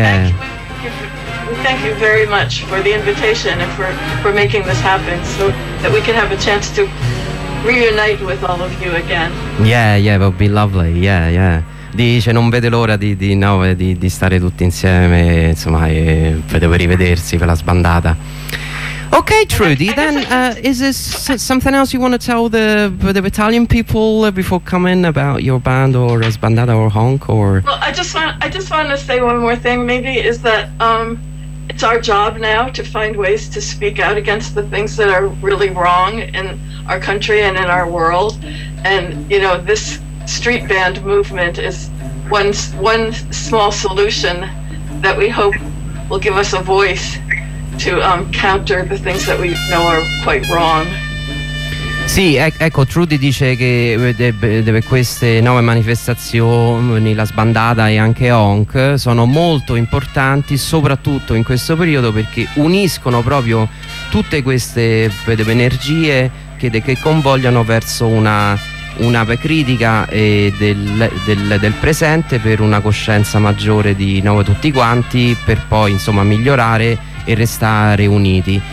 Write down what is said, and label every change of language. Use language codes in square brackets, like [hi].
[en] we thank you very much for the invitation and for making this happen so that we can have a chance to reunite with all of you again. Yeah, it would be lovely. Yeah. [it] Dice non vede l'ora di stare tutti insieme, insomma, e devo rivedersi per la sbandata. [en] Okay, Trudy, then is this something else you want to tell the Italian people before coming about your band or Sbandata or Honk or... Well, I just want to say one more thing, maybe, is that it's our job now to find ways to speak out against the things that are really wrong in our country and in our world. And, you know, this street band movement is one small solution that we hope will give us a voice to counter the things that we know are quite wrong. [it] Sì, ecco, Trudy dice che deve queste nuove manifestazioni, la sbandata e anche Honk, sono molto importanti, soprattutto in questo periodo, perché uniscono proprio tutte queste energie che convogliano verso una critica del presente per una coscienza maggiore di noi tutti quanti, per poi insomma migliorare e restare uniti.